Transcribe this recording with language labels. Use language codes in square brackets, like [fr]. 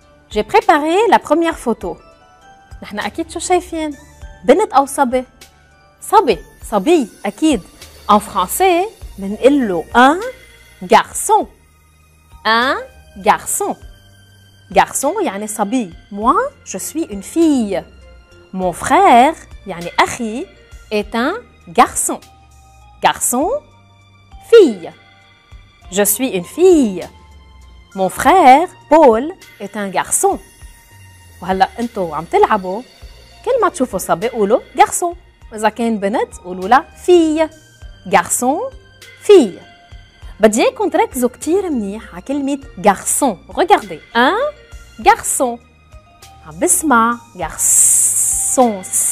[fr] J'ai préparé la première photo. [ar] نحن أكيد شو شايفين؟ بنت أو صبي؟ صبي. صبي. أكيد. [fr] En français, [ar] من إلو un garçon. [fr] un garçon. [ar] Garçon, يعني صبي. [fr] Moi, je suis une fille. Mon frère, [ar] يعني أخي, [fr] est un garçon. Garçon, fille. Je suis une fille. Mon frère, Paul, est un garçon. [ar] وهلا انتو عم تلعبوا كل ما تشوفوا صبي قولوا garçon. إذا كان بنت قولوا لا fille. [fr] Garçon, fille. [ar] بديكم تركزوا كتير منيح على كلمة garçon. [fr] Regardez. Un garçon. [ar] عم بسمع [fr] garçon.